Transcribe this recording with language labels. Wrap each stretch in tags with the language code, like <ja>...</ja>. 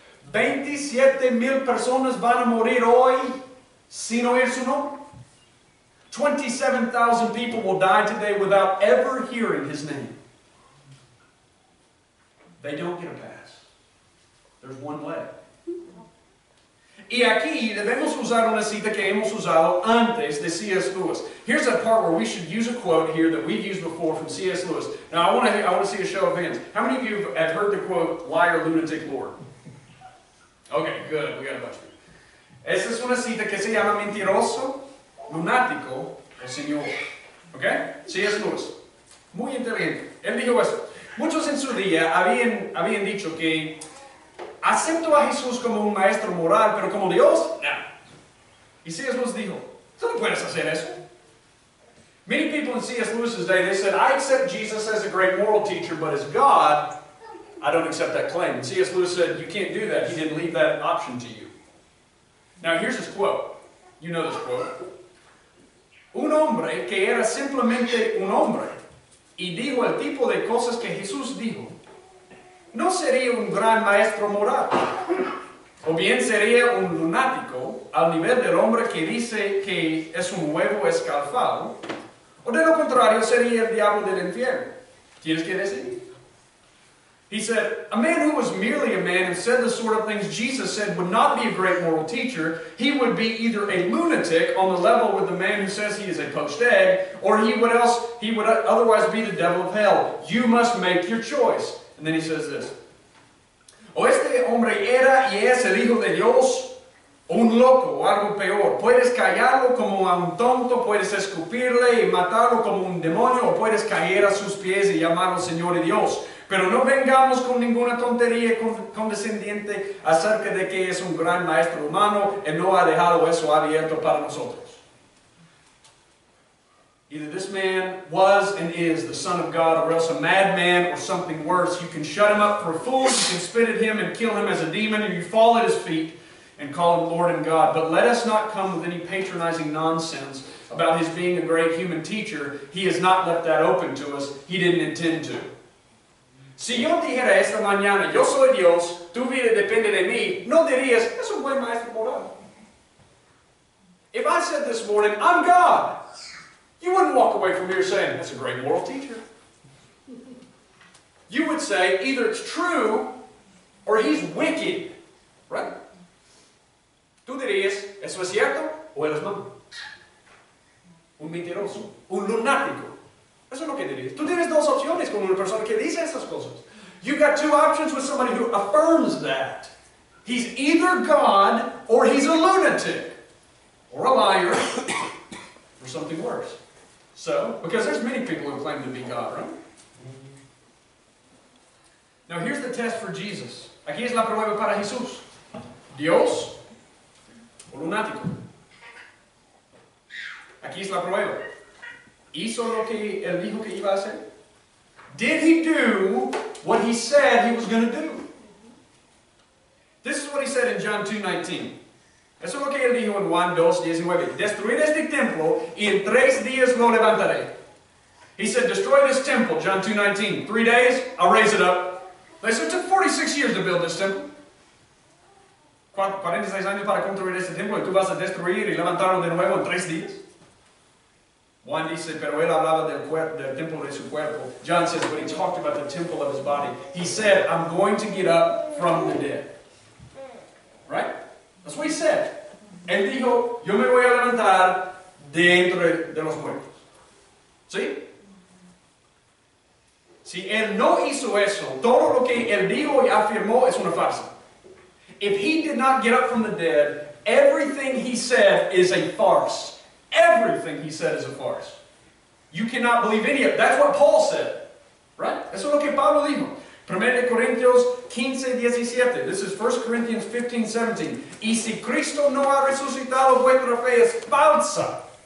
<es>27,000 personas van a morir hoy sin oír su nombre.</es> <en>27,000 people will die today without ever hearing his name. They don't get a pass. There's one way.</en> <es>Y aquí debemos usar una cita que hemos usado antes de C.S. Lewis.</es> <en>Here's a part where we should use a quote here that we've used before from C.S. Lewis. Now, I want to see a show of hands. How many of you have heard the quote, liar, lunatic, lord? Okay, good. We got a bunch of you.</en> <es>Esta es una cita que se llama mentiroso, lunático, o señor. Okay? C.S. Lewis. Muy inteligente. Él dijo esto. Muchos en su día habían dicho que acepto a Jesús como un maestro moral, pero como Dios, no. Y C.S. Lewis dijo, tú no puedes hacer eso.</es> <en>Many people in C.S. Lewis's day, they said, I accept Jesus as a great moral teacher, but as God, I don't accept that claim. And C.S. Lewis said, you can't do that. He didn't leave that option to you. Now, here's his quote. You know this quote.</en> <es>Un hombre que era simplemente un hombre y dijo el tipo de cosas que Jesús dijo, no sería un gran maestro moral, o bien sería un lunático al nivel del hombre que dice que es un huevo escalfado, o de lo contrario sería el diablo del infierno. ¿Tienes que decir?</es> <en>He said, a man who was merely a man and said the sort of things Jesus said would not be a great moral teacher. He would be either a lunatic on the level with the man who says he is a poached egg, or he would otherwise be the devil of hell. You must make your choice. And then he says this.</en> <es>O este hombre era y es el hijo de Dios, un loco o algo peor. Puedes callarlo como a un tonto, puedes escupirle y matarlo como un demonio, o puedes caer a sus pies y llamarlo Señor y Dios. Pero no vengamos con ninguna tontería condescendiente acerca de que es un gran maestro humano y no ha dejado eso abierto para nosotros.</es> <en>Either this man was and is the son of God, or else a madman or something worse. You can shut him up for a fool, you can spit at him and kill him as a demon, and you fall at his feet and call him Lord and God. But let us not come with any patronizing nonsense about his being a great human teacher. He has not left that open to us. He didn't intend to.</en> <es>Si yo dijera esta mañana, yo soy Dios, tu vida depende de mí, no dirías, es un buen maestro moral.</es> <en>If I said this morning, I'm God, you wouldn't walk away from here saying, that's a great moral teacher. You would say, either it's true, or he's wicked, right?</en> <es>Tú dirías, eso es cierto, o eres malo. Un mentiroso, un lunático. Eso es lo que dirías. Tú tienes dos opciones con una persona que dice esas cosas.</es> <en>You've got two options with somebody who affirms that. He's either God or he's a lunatic. Or a liar. Or something worse. So, because there's many people who claim to be God, right? Now here's the test for Jesus.</en> <es>Aquí es la prueba para Jesús. Dios o lunático. Aquí es la prueba. ¿Hizo lo que él dijo que iba a hacer?</es> <en>Did he do what he said he was going to do? This is what he said in John 2:19.</en> <es>Eso es lo que él dijo en Juan 2:19. Destruir este templo y en tres días lo levantaré.</es> <en>He said, destroy this temple, John 2:19. 3 days, I'll raise it up. They said, it took 46 years to build this temple.</en> <es>46 años para construir este templo y tú vas a destruir y levantarlo de nuevo en 3 días. Juan dice, pero él hablaba del templo de su cuerpo.</es> <en>John says, but he talked about the temple of his body. He said, I'm going to get up from the dead. Right? That's what he said.</en> <es>Él dijo, yo me voy a levantar dentro de los muertos. ¿Sí? Si él no hizo eso, todo lo que él dijo y afirmó es una farsa.</es> <en>If he did not get up from the dead, everything he said is a farce. Everything he said is a farce. You cannot believe any of it. That's what Paul said. Right?</en> <es>Eso es lo que Pablo dijo. 1 Corintios 15:17.</es> <en>This is 1 Corinthians 15:17.</en> <es>Y si Cristo no ha resucitado, vuestra fe es falsa.</es>